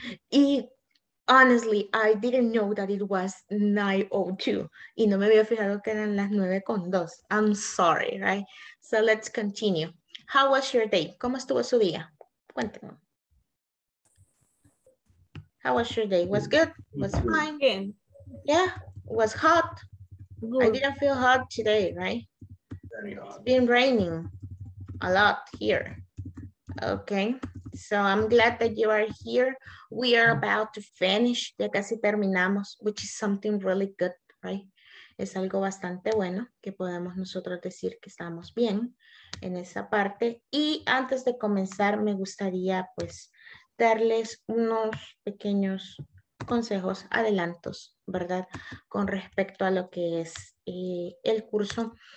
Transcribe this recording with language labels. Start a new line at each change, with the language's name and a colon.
English: Y honestly, I didn't know that it was 9:02.
Spanish: Y no me había fijado que eran las 9:02.
English: I'm sorry, right? So let's continue. How was your day?
Spanish: ¿Cómo estuvo su día? Cuéntame.
English: How was your day? Was good? Was fine? Again. Yeah, was hot. Good. I didn't feel hot today, right? Very hot. It's been raining a lot here. Okay, so I'm glad that you are here. We are about to finish.
Spanish: Ya casi terminamos,
English: which is something really good, right?
Spanish: Es algo bastante bueno que podemos nosotros decir que estamos bien en esa parte. Y antes de comenzar, me gustaría pues darles unos pequeños consejos, adelantos, ¿verdad? Con respecto a lo que es el curso.